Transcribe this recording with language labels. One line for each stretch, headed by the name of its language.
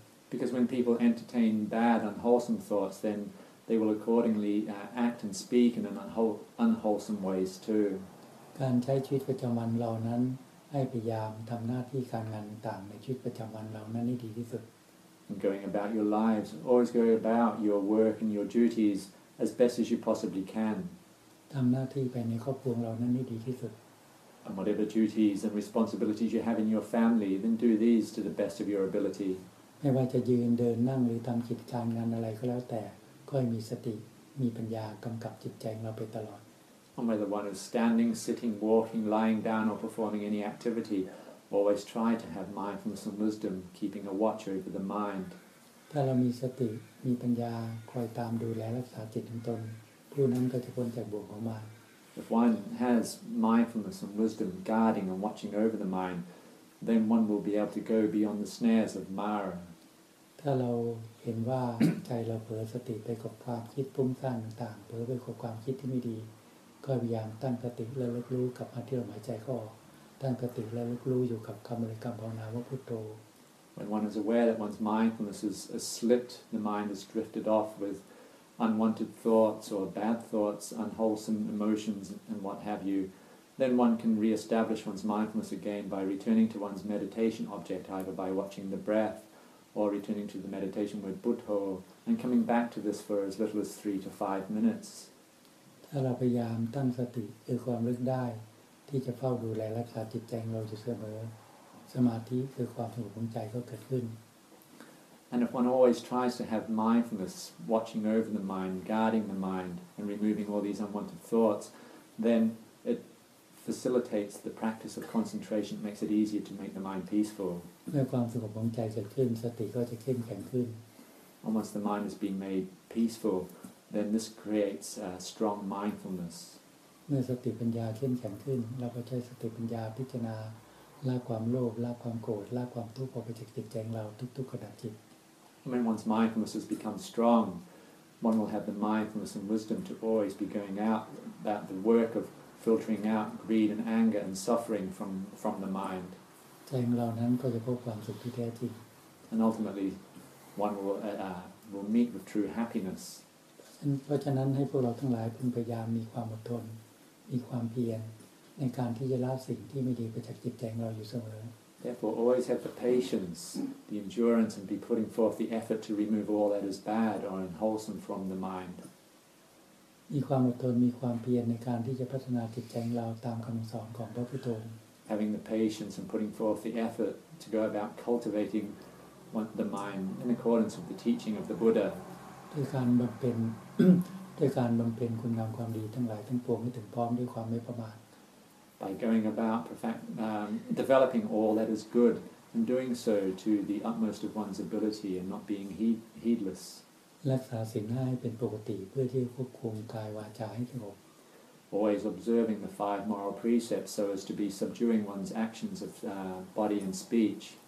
English: Because when people entertain bad, unwholesome thoughts, then. They will accordingly act and speak in unwholesome ways too.
Thai: การใช้ชีวิตประจำวันเรานั้นให้พยายามทำหน้าที่การงานต่างในชีวิตประจำวันเรานั้นให้ดีที่สุด
English: And going about your lives, always going about your work and your duties as best as you possibly can.
Thai: ทำหน้าที่ไปในครอบครัวเรานั้นให้ดีที่สุด
English: And whatever duties and responsibilities you have in your family, then do these to the best of your ability.
Thai: ไม่ว่าจะยืนเดินนั่งหรือทำกิจการงานอะไรก็แล้วแต่ก็มีสติมีปัญญากำกับจิตใจเราไปตลอด
English: Whether one is standing, sitting, walking, lying down, or performing any activity, always try to have mindfulness and wisdom, keeping a watch over the mind.
Thai: ถ้าเรามีสติมีปัญญาคอยตามดูแลรักษาจิตของตนผู้นั้นก็จะพ้นจากบ่วงของมาร
English: If one has mindfulness and wisdom guarding and watching over the mind, then one will be able to go beyond the snares of Mara.
Thai: ถ้าเราเห็นว่าใจเราเผลอสติไปกับความคิดปรุงสร้างต่างๆเผลอไปกับความคิดที่ไม่ดีก็พยายามตั้งสติระลึกรู้กับอาที่เราหายใจเข้าออกตั้งสติระลึกรู้อยู่กับคำบริกรรมภาวนาว่าพุทโธ
English: When one is aware that one's mindfulness has slipped, the mind has drifted off with unwanted thoughts or bad thoughts, unwholesome emotions and what have you, then one can re-establish one's mindfulness again by returning to one's meditation object either by watching the breath. Or returning to the meditation with Buddha and coming back to this for as little as 3 to 5 minutes.
Thai: ถ้าเราพยายามตั้งสติคือความลึกได้ที่จะเฝ้าดูแลรักษาจิตใจเราอยู่เสมอสมาธิคือความสงบของใจก็เกิดขึ้น
English: And if one always tries to have mindfulness watching over the mind, guarding the mind, and removing all these unwanted thoughts, then it facilitates the practice of concentration, makes it easier to make the mind peaceful
Thai: เมื่อความสงบของใจเกิดขึ้นสติก็จะเข้มแข็งขึ้น
English: Once the mind has been made peaceful, then this creates a strong mindfulness.
Thai: เมื่อสติปัญญาเข้มแข็งขึ้นเราก็ใช้สติปัญญาพิจารณาละความโลภละความโกรธละความทุกข์ออกไปจากจิตใจเราทุกๆขณะจิต
English: When one's mindfulness has become strong, one will have the mindfulness and wisdom to always be going out about the work of filtering out greed and anger and suffering from the mind.
Thai: ใจเรานั้นก็จะพบความสุขที่แท้จริง
English: And ultimately, one will meet with true happiness.
Thai: เพราะฉะนั้นให้พวกเราทั้งหลายพึงพยายามมีความอดทนมีความเพียรในการที่จะละสิ่งที่ไม่ดีไปจากจิตใจเราอยู่เสมอ
English: Therefore, always have the patience, the endurance, and be putting forth the effort to remove all that is bad or unwholesome from the mind.
Thai: มีความอดทนมีความเพียรในการที่จะพัฒนาจิตใจเราตามคำสอนของพระพุทธองค์
English: Having the patience and putting forth the effort to go about cultivating the mind in accordance with the teaching of the Buddha.
Thai: ด้วยการบำเพ็ญด้วยการบำเพ็ญคุณงามความดีทั้งหลายทั้งปวงให้ถึงพร้อมด้วยความไม่ประมาท
English: By going about developing all that is good and doing so to the utmost of one's ability and not being heedless.
Thai: รักษาศีลให้เป็นปกติเพื่อที่ควบคุมกายวาจาให้สงบ
English: Always observing the 5 moral precepts so as to be subduing one's actions of body and speech.